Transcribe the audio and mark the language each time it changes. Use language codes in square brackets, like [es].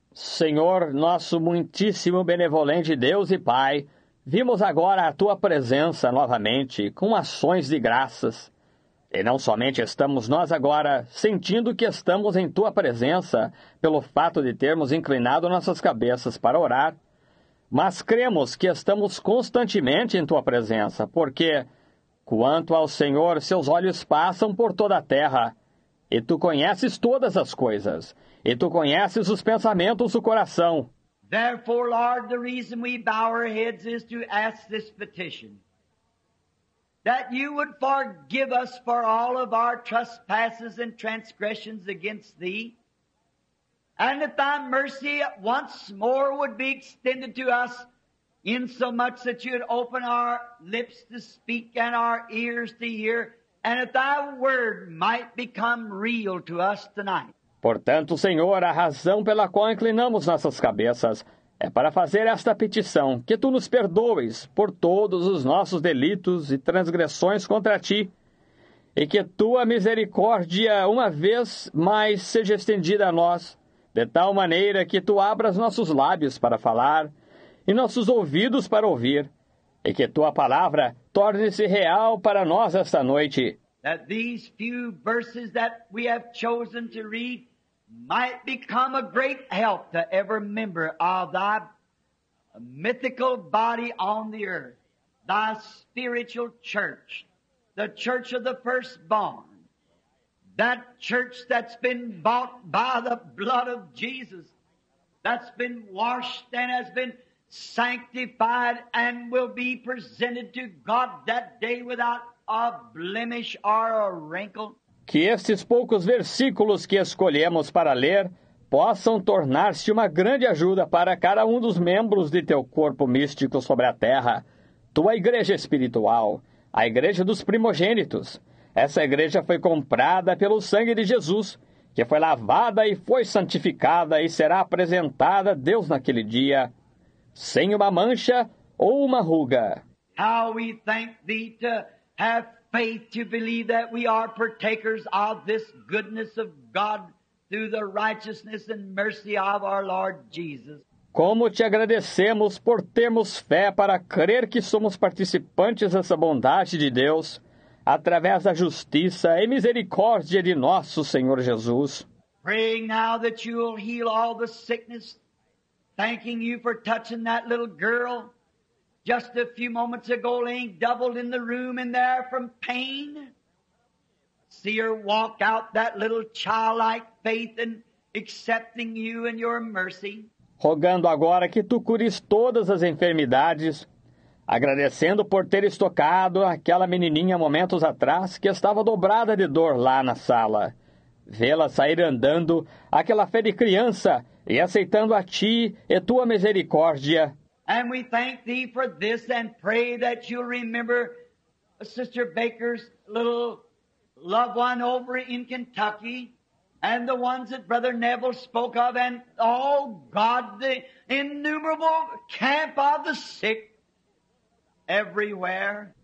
[pt] Senhor, nosso muitíssimo benevolente Deus e Pai, vimos agora a tua presença novamente com ações de graças, e não somente estamos nós agora sentindo que estamos em tua presença pelo fato de termos inclinado nossas cabeças para orar, mas cremos que estamos constantemente em tua presença, porque, quanto ao Senhor, seus olhos passam por toda a terra, e tu conheces todas as coisas, e tu conheces os pensamentos do coração. [en] Therefore, Lord, the reason we bow our heads is to ask this petition, that you would forgive us for all of our trespasses and transgressions against thee, and that thy mercy once more would be extended to us, insomuch that you would open our lips to speak and our ears to hear, and that thy word might become real to us tonight. [pt] Portanto, Senhor, a razão pela qual inclinamos nossas cabeças é para fazer esta petição, que tu nos perdoes por todos os nossos delitos e transgressões contra ti, e que tua misericórdia, uma vez mais, seja estendida a nós, de tal maneira que tu abras nossos lábios para falar e nossos ouvidos para ouvir, e que tua palavra torne-se real para nós esta noite. [en] That these few verses that we have chosen to read might become a great help to every member of thy mythical body on the earth, thy spiritual church, the church of the firstborn, that church that's been bought by the blood of Jesus, that's been washed and has been sanctified and will be presented to God that day without a blemish or a wrinkle. [pt] Que estes poucos versículos que escolhemos para ler possam tornar-se uma grande ajuda para cada um dos membros de teu corpo místico sobre a terra, tua igreja espiritual, a igreja dos primogênitos. Essa igreja foi comprada pelo sangue de Jesus, que foi lavada e foi santificada e será apresentada a Deus naquele dia, sem uma mancha ou uma ruga. [en] How we thank thee to have faith to believe that we are partakers of this goodness of God through the righteousness and mercy of our Lord Jesus. [pt] Como te agradecemos por termos fé para crer que somos participantes dessa bondade de Deus através da justiça e misericórdia de nosso Senhor Jesus. [en] Praying now that you will heal all the sickness, thanking you for touching that little girl just a few moments ago, laying doubled in the room in there from pain. See her walk out that little childlike faith and accepting you and your mercy. [pt] Rogando agora que tu cures todas as enfermidades, agradecendo por teres tocado aquela menininha momentos atrás que estava dobrada de dor lá na sala. Vê-la sair andando, aquela fé de criança, e aceitando a ti e tua misericórdia. [en] And we thank thee for this and pray that you'll remember Sister Baker's little loved one over in Kentucky and the ones that Brother Neville spoke of and, oh God, the innumerable camp of the sick everywhere.